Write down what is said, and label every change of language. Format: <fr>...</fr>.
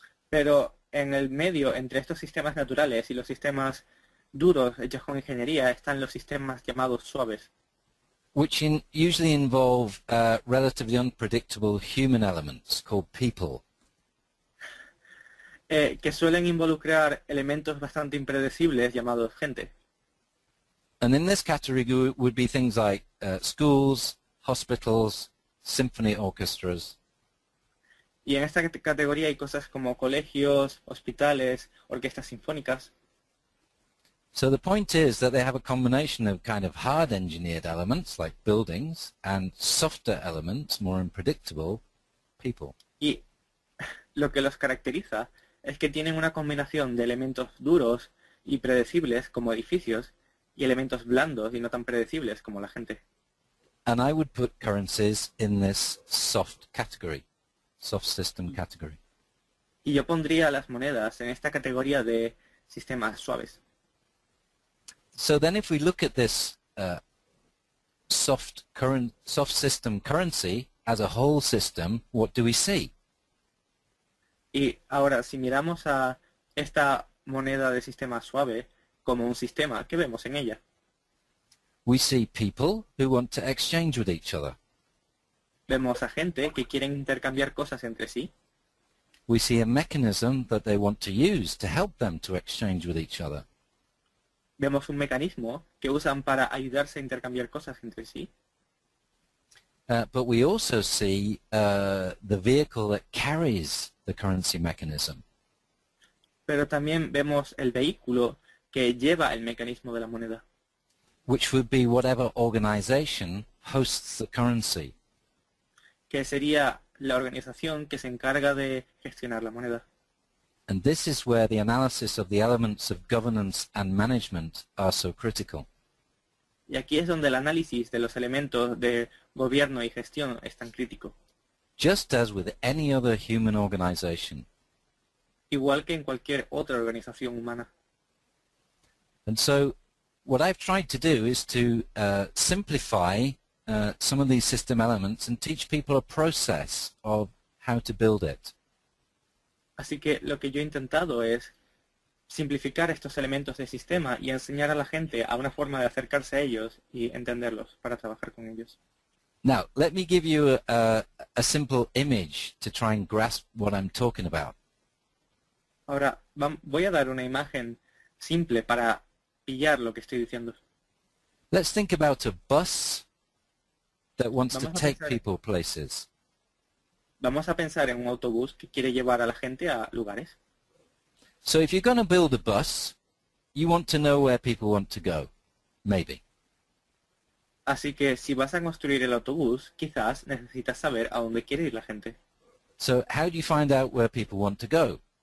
<es>Pero en el medio entre estos sistemas naturales y los sistemas duros hechos con ingeniería están los sistemas llamados suaves.</es> <en>Which usually involve relatively unpredictable human elements called people.</en> <es>Que suelen involucrar elementos bastante impredecibles llamados gente.</es> <en>And in this category would be things like schools, hospitals, symphony orchestras.</en> <es>Y en esta categoría hay cosas como colegios, hospitales, orquestas sinfónicas.</es> <en>So the point is that they have a combination of kind of hard engineered elements like buildings and softer elements, more unpredictable, people.</en> <es>Y lo que los caracteriza es que tienen una combinación de elementos duros y predecibles como edificios y elementos blandos y no tan predecibles como la gente.</es> <en>And I would put currencies in this soft category, soft system category.</en> <es>Y yo pondría las monedas en esta categoría de sistemas suaves.</es> <en>So then if we look at this soft system currency as a whole system, what do we see?</en> <es>Y ahora, si miramos a esta moneda de sistema suave como un sistema, ¿qué vemos en ella?</es> <en>We see people who want to exchange with each other.</en> <es>Vemos a gente que quieren intercambiar cosas entre sí.</es> <en>We see a mechanism that they want to use to help them to exchange with each other.</en> <es>Vemos un mecanismo que usan para ayudarse a intercambiar cosas entre sí.</es> <en>But we also see the vehicle that carries the currency mechanism.</en> <es>Pero también vemos el vehículo que lleva el mecanismo de la moneda.</es> <en>Which would be whatever organization hosts the currency.</en> <es>Que sería la organización que se encarga de gestionar la moneda.</es> <en>And this is where the analysis of the elements of governance and management are so critical.</en> <es>Y aquí es donde el análisis de los elementos de gobierno y gestión es tan crítico.</es> <en>Just as with any other human organization.</en> <es>Igual que en cualquier otra organización humana.</es> <en>And so what I've tried to do is to simplify some of these system elements and teach people a process of how to build it.</en> <es>Así que lo que yo he intentado es simplificar estos elementos del sistema y enseñar a la gente a una forma de acercarse a ellos y entenderlos para trabajar con ellos.</es> <en>Now, let me give you a simple image to try and grasp what I'm talking about.</en> <es>Ahora voy a dar una imagen simple para pillar lo que estoy diciendo.</es> <en>Let's think about a bus that wants to</en> <es>Vamos a</es> <en>take</en> <es>pensar</es> <en>people places.</en> <es>en un autobús que quiere llevar a la gente a lugares.</es> <en>So if you're going to build a bus, you want to know where people want to go, maybe.</en> <es>Así que si vas a construir el autobús, quizás necesitas saber a dónde quiere ir la gente.</es> <en>So how do you find out where people want to go?</en>